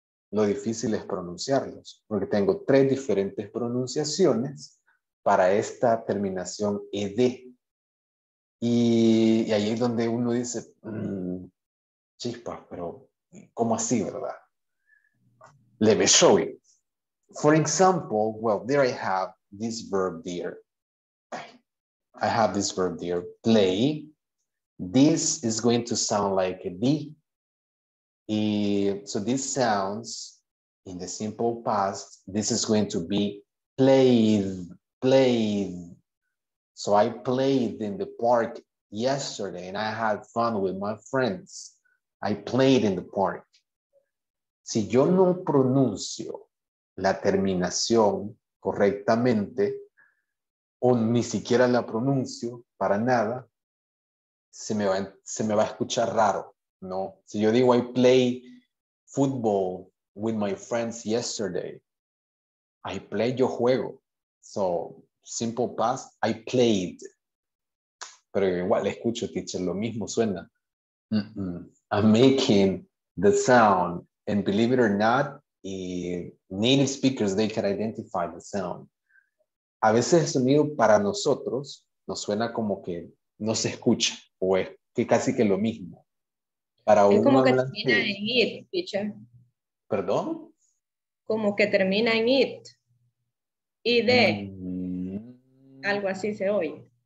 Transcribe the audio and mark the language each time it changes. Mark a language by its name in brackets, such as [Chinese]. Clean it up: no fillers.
[Spanish] Lo difícil es pronunciarlos, porque tengo tres diferentes pronunciaciones para esta terminación ed. Y ahí es donde uno dice, chispa, pero ¿cómo así, verdad? [English] Let me show it. For example, well, there I have this verb there. I have this verb there, play. This is going to sound like a D. So this sounds in the simple past, this is going to be played, played. So I played in the park yesterday and I had fun with my friends. I played in the park. [Spanish] Si yo no pronuncio la terminación correctamente, o ni siquiera la pronuncio para nada, se me va a escuchar raro, ¿no? Si yo digo, [English] I play football with my friends yesterday, I play, [Spanish] yo juego. [English] So, simple past, I played. [Spanish] Pero igual, escucho, teacher, lo mismo suena. Mm-mm. [English] I'm making the sound, and believe it or not, native speakers, they can identify the sound. [Spanish] A veces el sonido para nosotros nos suena como que no se escucha, o es que casi que lo mismo. Para es como que termina en it, teacher. ¿Perdón? Como que termina en it. Y de. Algo así se oye.